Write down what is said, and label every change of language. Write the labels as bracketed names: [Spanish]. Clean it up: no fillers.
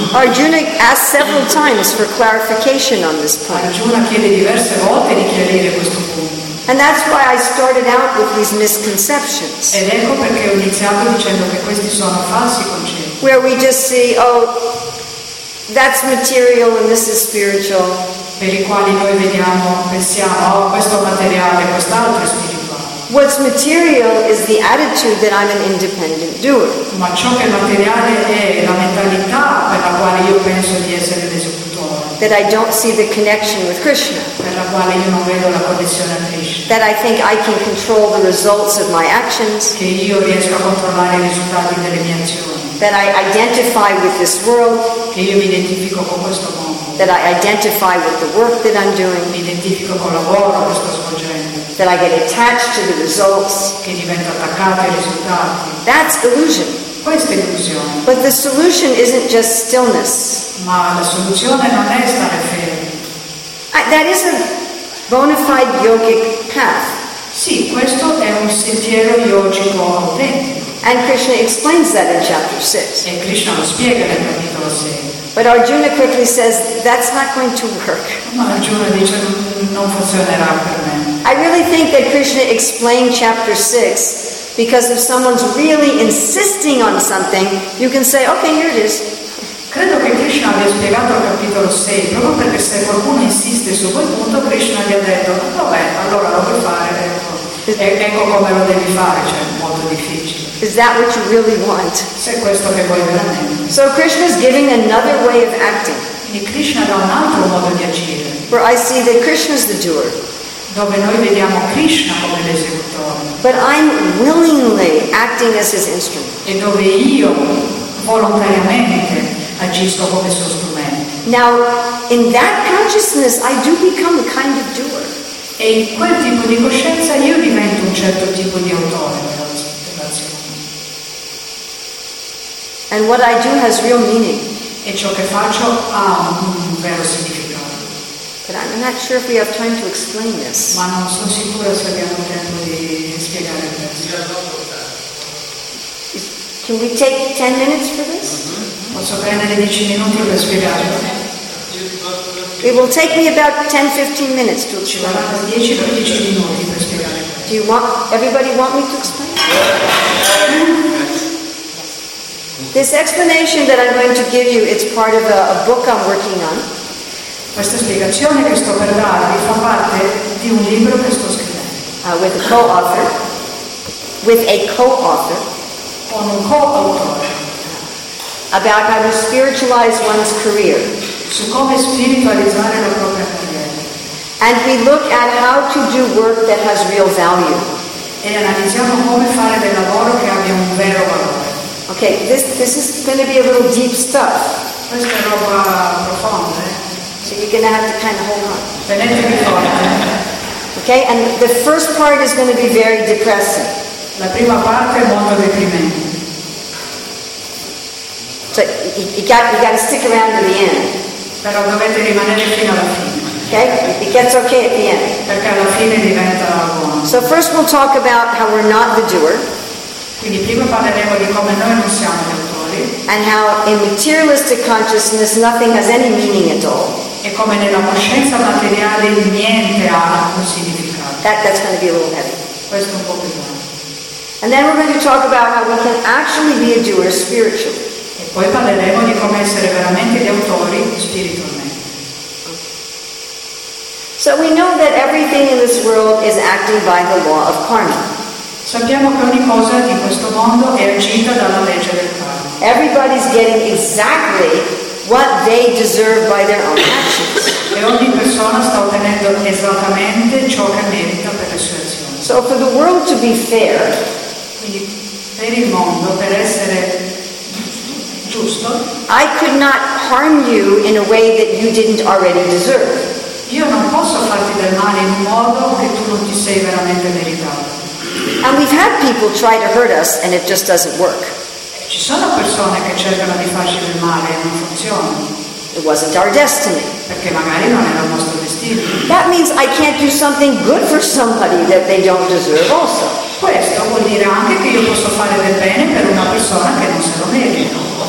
[English] Arjuna asks several times for clarification on this point. [Italian] Arjuna chiede diverse volte di chiarire questo punto. [English] And that's why I started out with these misconceptions. [Italian] Ed ecco perché ho iniziato dicendo che questi sono falsi concetti. [English] Where we just see, oh, that's material and this is spiritual. [Italian] Per i quali noi vediamo, pensiamo, oh, questo materiale, quest'altro è spirituale. [English] What's material is the attitude that I'm an independent doer. [Italian] Ma ciò che è materiale è la mentalità per la quale io penso di essere l'esecutore. [English] That I don't see the connection with Krishna. [Italian] Per la quale io non vedo la connessione a Krishna. [English] That I think I can control the results of my actions. [Italian] Che io riesco a controllare i risultati delle mie azioni. [English] That I identify with this world. [Italian] Che io mi identifico con questo mondo. [English] That I identify with the work that I'm doing. [Italian] Mi identifico col lavoro che sto svolgendo. [English] That I get attached to the results. [Italian] Che divento attaccato ai risultati. [English] That's illusion. [Italian] Questa è illusione. [English] But the solution isn't just stillness. [Italian] Ma la soluzione non è stare fermi. [English] That is a bona fide yogic path. [Italian] Sì, questo è un sentiero yogico autentico. [English] And Krishna explains that in chapter 6. [Italian] E Krishna lo spiega nel capitolo 6. [English] But Arjuna quickly says, that's not going to work. [Italian] Ma Arjuna dice, non funzionerà per me. [English] I really think that Krishna explained chapter 6 because if someone's really insisting on something, you can say, okay, here it is. [Italian] Credo che Krishna abbia spiegato il capitolo 6 proprio perché se qualcuno insiste su quel punto, Krishna gli ha detto, vabbè, allora lo puoi fare. Ecco come lo devi fare, cioè molto difficile. [English] Is that what you really want? [Italian] Se questo che vuoi veramente. [English] So Krishna is giving another way of acting. [Italian] E Krishna dà un altro modo di agire. [English] Where I see that Krishna is the doer. [Italian] Dove noi vediamo Krishna come l'esecutore. [English] But I'm willingly acting as his instrument. [Italian] E dove io volontariamente agisco come suo strumento. [English] Now, in that consciousness, I do become a kind of doer. [Italian] E in quel tipo di coscienza io divento un certo tipo di autore. [English] And what I do has real meaning. [Italian] E ciò che faccio ha un vero significato. [English] But I'm not sure if we have time to explain this. [Italian] Ma non sono sicura se abbiamo tempo di spiegare questo. [English] Can we take 10 minutes for this? [Italian] Mm-hmm. Posso prendere 10 minuti per spiegare? [English] It will take me about 10-15 minutes to explain. [Italian] Ci vorranno 10-15 minuti per spiegare. [English] Do you want, everybody want me to explain? This explanation that I'm going to give you, it's part of a book I'm working on. [Italian] Questa spiegazione che sto per darvi fa parte di un libro che sto scrivendo. [English] With a co-author. With a co-author. [Italian] Con un co-autore. [English] About how to spiritualize one's career. [Italian] Su come spiritualizzare la propria carriera. [English] And we look at how to do work that has real value. [Italian] E analizziamo come fare del lavoro che abbia un vero valore. [English] Okay, this is going to be a little deep stuff. [Italian] Questa è roba profonda, [English] so you're going to have to kind of hold on. [Italian] Tenetevi forte. [English] Okay, and the first part is going to be very depressing. [Italian] La prima parte è molto deprimente. [English] So you got to stick around to the end. [Italian] Però dovete rimanere fino alla fine. [English] Okay, it gets okay at the end. [Italian] Perché alla fine diventa buono. [English] So first we'll talk about how we're not the doer. [Italian] Quindi prima parleremo di come noi non siamo gli autori. [English] And how in materialistic consciousness nothing has any meaning at all. [Italian] E come nella coscienza materiale niente ha un significato. [English] That's going to be a little heavy. [Italian] Questo è un po' più grande. [English] And then we're going to talk about how we can actually be a doer spiritually. [Italian] E poi parleremo di come essere veramente gli autori spiritualmente. [English] So we know that everything in this world is acting by the law of karma. [Italian] Sappiamo che ogni cosa di questo mondo è agita dalla legge del karma. [English] Everybody's getting exactly what they deserve by their own actions. [Italian] E ogni persona sta ottenendo esattamente ciò che merita per le sue azioni. [English] So for the world to be fair, [Italian] quindi per il mondo, per essere giusto, [English] I could not harm you in a way that you didn't already deserve. [Italian] Io non posso farti del male in un modo che tu non ti sei veramente meritato. [English] And we've had people try to hurt us and it just doesn't work. [Italian] Ci sono persone che cercano di farci del male e non funziona. [English] It wasn't our destiny. [Italian] Perché magari non era il nostro destino. [English] That means I can't do something good for somebody that they don't deserve also. [Italian] Questo vuol dire anche che io posso fare del bene per una persona che non se lo merita.